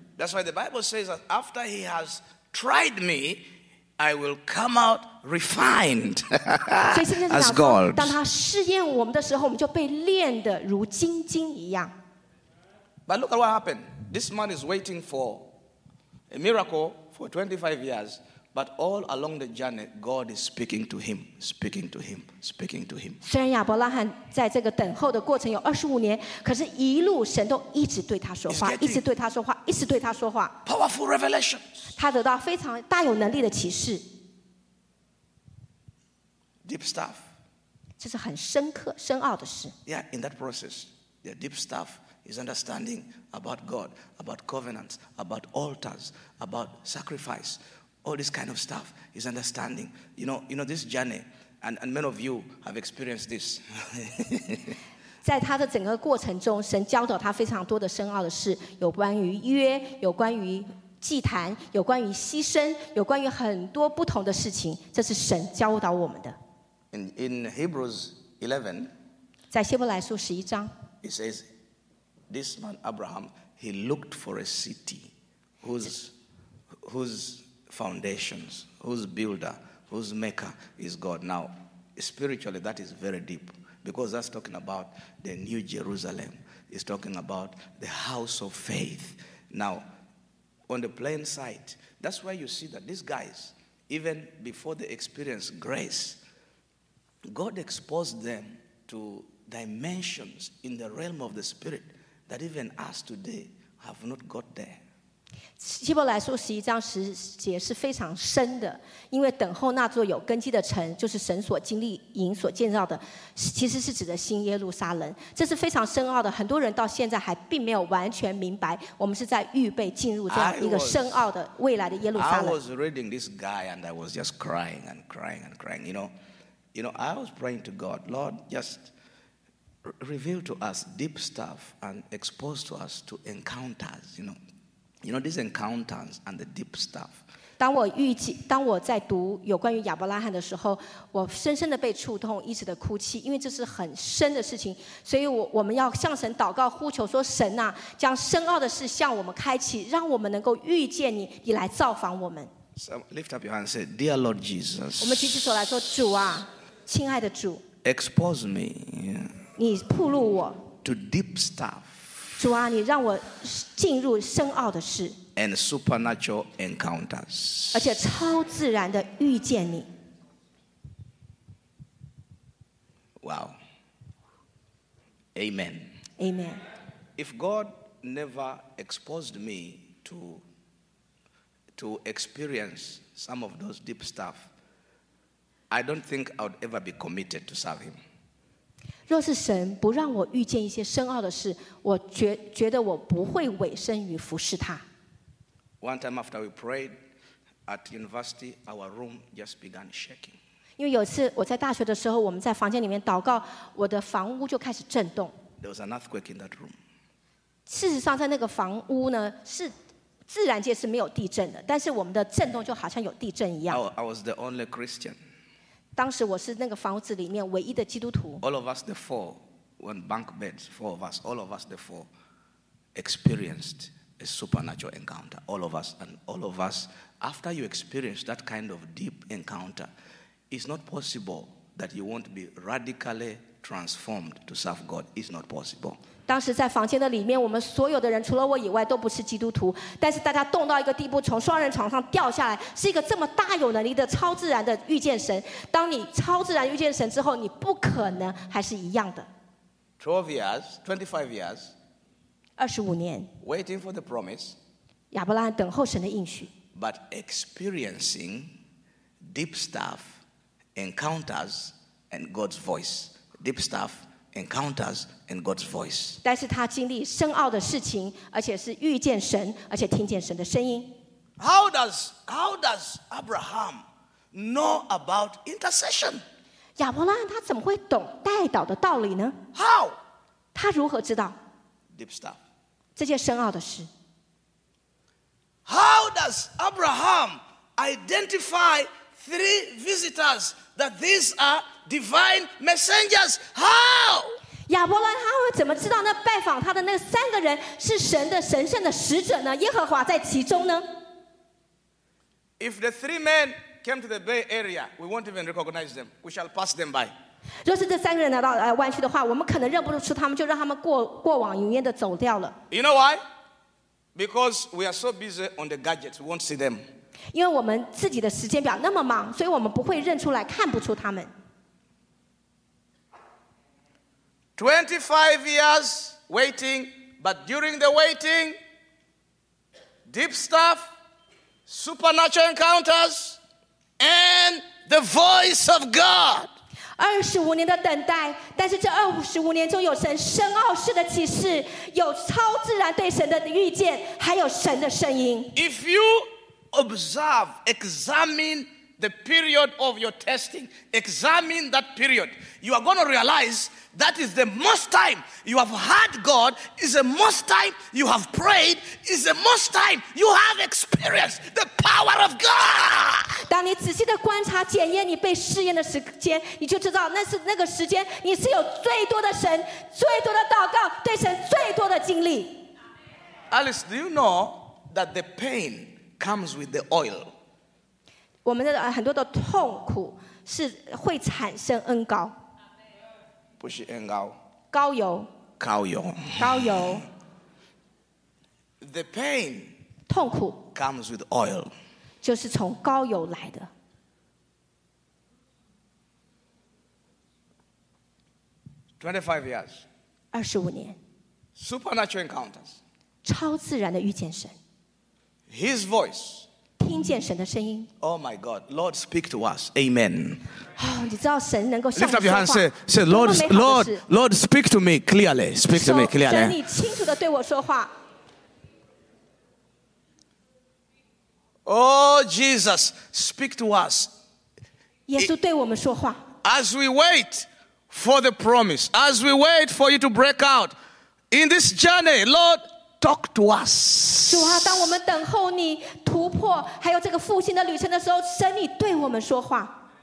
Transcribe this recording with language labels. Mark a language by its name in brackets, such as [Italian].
[English] That's why the Bible says that after he has tried me. I will come out refined as gold. [Chinese] 当他试验我们的时候，我们就被炼得如金晶一样。 [English] But look at what happened. This man is waiting for a miracle for 25 years. But all along the journey, God is speaking to him, speaking to him, speaking to him. [Chinese] 虽然亚伯拉罕在这个等候的过程有二十五年，可是一路神都一直对他说话，一直对他说话，一直对他说话。 [English] Powerful revelations. [Chinese] 他得到非常大有能力的启示。 [English] Deep stuff. [Chinese] 这是很深刻、深奥的事。 [English] Yeah, in that process, the deep stuff is understanding about God, about covenants, about altars, about sacrifice. All this kind of stuff is understanding. You know this journey, and many of you have experienced this. [Chinese] 在他的整个过程中，神教导他非常多的深奥的事，有关于约，有关于祭坛，有关于牺牲，有关于很多不同的事情。这是神教导我们的。 [English] In Hebrews 11, [Chinese] 在希伯来书十一章 [English] ，it says, "This man Abraham, he looked for a city whose foundations, whose builder, whose maker is God. Now, spiritually, that is very deep because that's talking about the New Jerusalem. It's talking about the house of faith. Now, on the plain sight, that's where you see that these guys, even before they experienced grace, God exposed them to dimensions in the realm of the spirit that even us today have not got there. [Chinese] 希伯来书十一章十节是非常深的，因为等候那座有根基的城，就是神所经历营所建造的，其实是指的新耶路撒冷。这是非常深奥的，很多人到现在还并没有完全明白，我们是在预备进入这样一个深奥的未来的耶路撒冷。 [English] I was reading this guy and I was just crying and crying and crying. You know, I was praying to God, Lord, just reveal to us deep stuff and expose to us to encounters. You know these encounters and the deep stuff. [Chinese] 当我在读有关于亚伯拉罕的时候，我深深的被触动，一直的哭泣，因为这是很深的事情。所以我们要向神祷告，呼求说：“神啊，将深奥的事向我们开启，让我们能够遇见你，你来造访我们。” [English] So lift up your hands, say, "Dear Lord Jesus." [Chinese] 我们举起手来说：“主啊，亲爱的主。” [English] Expose me. [Chinese] 你暴露我。 [English] To deep stuff. [Chinese] 主啊，你让我进入深奥的事 [English] ，and supernatural encounters， [Chinese] 而且超自然的遇见你。 [English] Wow. Amen. Amen. If God never exposed me to experience some of those deep stuff, I don't think I'd ever be committed to serve Him. [Chinese] 若是神不让我遇见一些深奥的事，我觉得我不会委身于服侍他。 [English] One time after we prayed at university, our room just began shaking. [Chinese] 因为有次我在大学的时候，我们在房间里面祷告，我的房屋就开始震动。 [English] There was an earthquake in that room. [Chinese] 事实上，在那个房屋呢，是自然界是没有地震的，但是我们的震动就好像有地震一样。 [English] I was the only Christian. [Chinese] 当时我是那个房子里面唯一的基督徒。 [English] All of us, the four, on bunk beds, four of us, all of us, the four, experienced a supernatural encounter. All of us, and all of us, after you experience that kind of deep encounter, it's not possible that you won't be radically transformed to serve God. It's not possible. [Chinese] 当时在房间的里面，我们所有的人除了我以外都不是基督徒，但是大家动到一个地步，从双人床上掉下来，是一个这么大有能力的超自然的遇见神。当你超自然遇见神之后，你不可能还是一样的。 [English] 25 years, 25 years, waiting for the promise, [Chinese] 亚伯拉罕等候神的应许 [English] ，but experiencing deep stuff, encounters, and God's voice, deep stuff. Encounters and God's voice. [Chinese] 但是他经历深奥的事情，而且是遇见神，而且听见神的声音。 [English] How does Abraham know about intercession? [Chinese] 亚伯拉罕他怎么会懂代祷的道理呢 [English] ？How? [Chinese] 他如何知道 [English] ？Deep stuff. [Chinese] 这些深奥的事。 [English] How does Abraham identify three visitors that these are? Divine messengers, how? [Chinese] 亚伯拉罕怎么知道那拜访他的那三个人是神的神圣的使者呢？耶和华在其中呢 [English] ？If the three men came to the Bay Area, we won't even recognize them. We shall pass them by. [Chinese] 若是这三个人来到湾区的话，我们可能认不出他们，就让他们过往云烟的走掉了。 [English] You know why? Because we are so busy on the gadgets, we won't see them. [Chinese] 因为我们自己的时间表那么忙，所以我们不会认出来，看不出他们。 [English] 25 years waiting, but during the waiting, deep stuff, supernatural encounters, and the voice of God. [Chinese] 25年的等待，但是这25年中有神深奥式的启示，有超自然对神的预见，还有神的声音。 [English] If you observe, examine the period of your testing, examine that period, you are going to realize that is the most time you have heard God, is the most time you have prayed, is the most time you have experienced the power of God. [Chinese] 当你仔细的观察检验你被试验的时间，你就知道那是那个时间你是有最多的神，最多的祷告，对神最多的经历。 [English] Alice, do you know that the pain comes with the oil? [Chinese] 我们的很多的痛苦是会产生恩膏。不是恩膏，膏油，膏油，膏油。 [English] The pain, [Chinese] 痛苦 [English] comes with oil, [Chinese] 就是从膏油来的。 [English] 25 years, [Chinese] 25年。 [English] Supernatural encounters, [Chinese] 超自然的遇见神。 [English] His voice, [Chinese] 听见神的声音。 [English] Oh my God, Lord, speak to us. Amen. [Chinese] 你知道神能够向你说话。 [English] Lift up your hands, say, Lord, Lord, Lord, speak to me clearly. Speak to me clearly. [Chinese] 神，你清楚地对我说话。 [English] Oh Jesus, speak to us. [Chinese] 耶稣对我们说话。 [English] As we wait for the promise, as we wait for you to break out in this journey, Lord, talk to us. [Chinese] 主啊，当我们等候你突破，还有这个复兴的旅程的时候，神，你对我们说话。